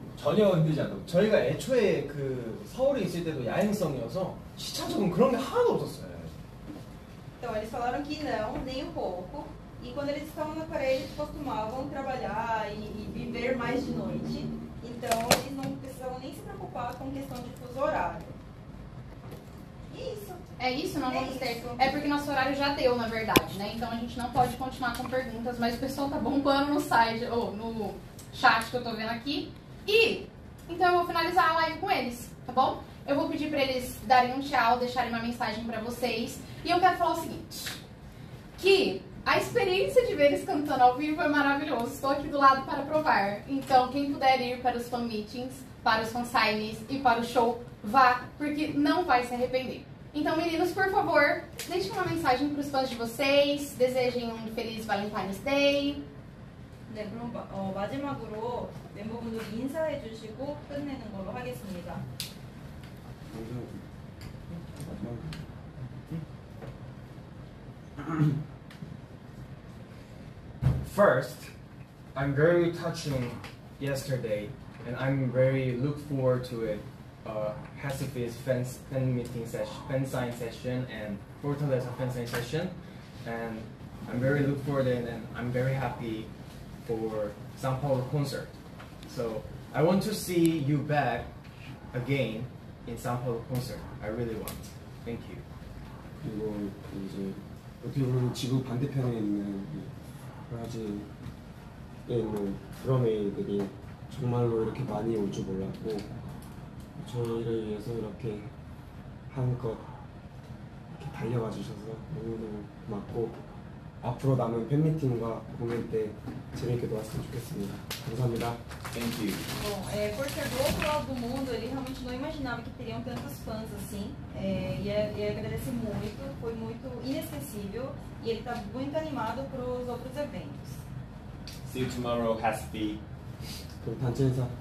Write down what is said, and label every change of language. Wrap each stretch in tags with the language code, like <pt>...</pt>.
<ko>전혀 힘들지 않고 저희가 애초에 그 서울에 있을 때도 야행성이어서 시차 적응 그런 게 하나도 없었어요.</ko> <pt>Então eles falaram que não, nem um pouco. E quando eles estavam na Coreia, eles costumavam trabalhar e viver mais de noite. Então eles não precisavam nem se preocupar com questão de fuso horário. É isso, não vamos ter. É porque nosso horário já deu, na verdade, né? Então a gente não pode continuar com perguntas, mas o pessoal tá bombando no site, ou no chat que eu tô vendo aqui. E então eu vou finalizar a live com eles, tá bom? Eu vou pedir pra eles darem um tchau, deixarem uma mensagem pra vocês. E eu quero falar o seguinte, que a experiência de ver eles cantando ao vivo é maravilhosa. Estou aqui do lado para provar. Então, quem puder ir para os fan meetings, para os fan signings e para o show, vá, porque não vai se arrepender. Então, meninos, por favor, deixem uma mensagem para os fãs de vocês. Desejem um feliz Valentine's Day.</pt> <ko>네, 그럼 마지막으로 멤버분들 인사해 주시고 끝내는 걸로 하겠습니다.</ko> <en>First, I'm very touching yesterday, and I'm very look forward to it. Hasifi's fan sign session and Fortaleza fan sign session, and I'm very look forward in, and I'm very happy for São Paulo concert. So I want to see you back again in São Paulo concert. I really want. Thank you.</en> <ko>어떻게 보면 지구 반대편에 있는 브라질에 있는 드러메이들이 정말로 이렇게 많이 올 줄 몰랐고 저희를 위해서 이렇게 한껏 이렇게 달려와 주셔서 너무너무 고맙고 앞으로 남은 팬미팅과 공연 때 재밌게 놀았으면 좋겠습니다. 감사합니다.</ko> <en>Thank you.</en> <pt>Bom, é, por ser do outro lado do mundo, ele realmente não imaginava que teriam tantos fãs assim. E agradece muito, foi muito inesquecível. E ele está muito animado para os outros eventos.</pt> <en>See you tomorrow, Hasifi.</en> <ko>그럼 단체 인사.</ko>